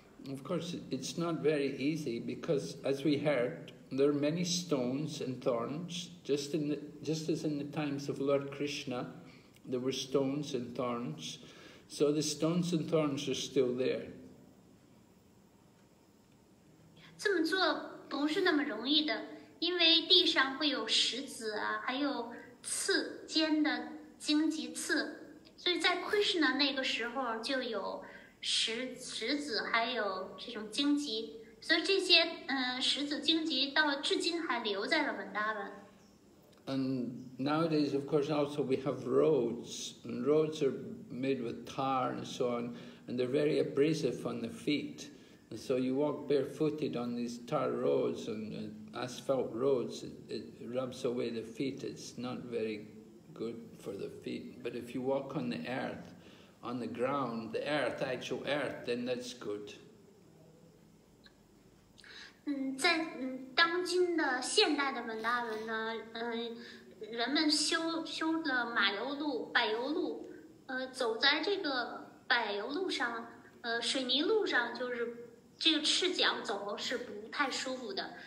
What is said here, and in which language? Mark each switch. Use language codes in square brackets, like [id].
[en] Of course, it's not very easy because, as we heard,There are many stones and thorns, just as in the times of Lord Krishna, there were stones and thorns. So the stones and thorns are still there. [zh] 这么做不是那么容易的，因为地上会有石子啊，还有刺尖的荆棘刺，所以在 Krishna 那个时候就有石子，还有这种荆棘。所以这些石子荆棘到至今还留在了文达文。 [en] And nowadays, of course, also we have roads, and roads are made with tar and so on, and they're very abrasive on the feet. And so you walk barefooted on these tar roads and asphalt roads, it rubs away the feet. It's not very good for the feet. But if you walk on the earth, on the ground, the earth, actual earth, then that's good. [zh] 在当今的现代的文达文呢，人们修了马油路、柏油路，走在这个柏油路上，水泥路上，就是这个赤脚走是不太舒服的。